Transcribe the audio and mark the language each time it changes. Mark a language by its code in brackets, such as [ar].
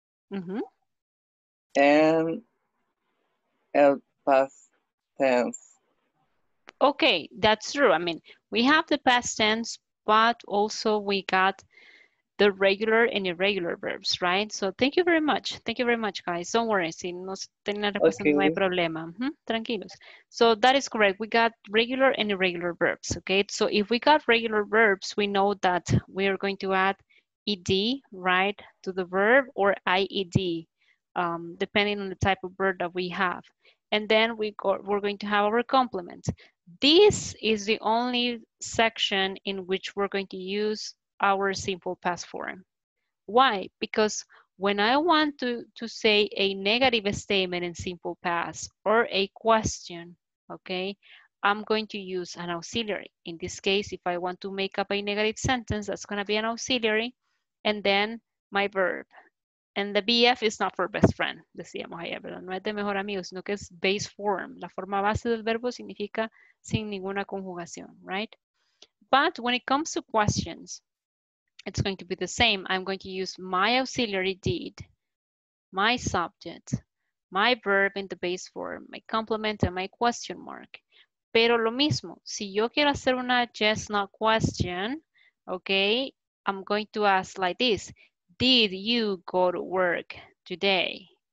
[en] Simple past and el past tense. Okay, that's true. I mean, we have the past tense, but also we got the regular and irregular verbs, right? So thank you very much. Thank you very much, guys. Don't worry. [es] Si no tienen la respuesta, no hay problema. Tranquilos. [en] So that is correct. We got regular and irregular verbs, okay? So if we got regular verbs, we know that we are going to add ed, right, to the verb, or ied, depending on the type of verb that we have. And then we're going to have our complement. This is the only section in which we're going to use our simple past form. Why? Because when I want to say a negative statement in simple past or a question, okay, I'm going to use an auxiliary. In this case, if I want to make up a negative sentence, that's going to be an auxiliary. And then my verb. And the BF is not for best friend, decíamos ayer, ¿verdad? [es] No es de mejor amigo, sino que es base form. La forma base del verbo significa sin ninguna conjugación, right? [en] But when it comes to questions, it's going to be the same. I'm going to use my auxiliary did, my subject, my verb in the base form, my complement and my question mark. [es] Pero lo mismo, si yo quiero hacer una [en] yes, no question, okay, I'm going to ask like this, did you go to work today?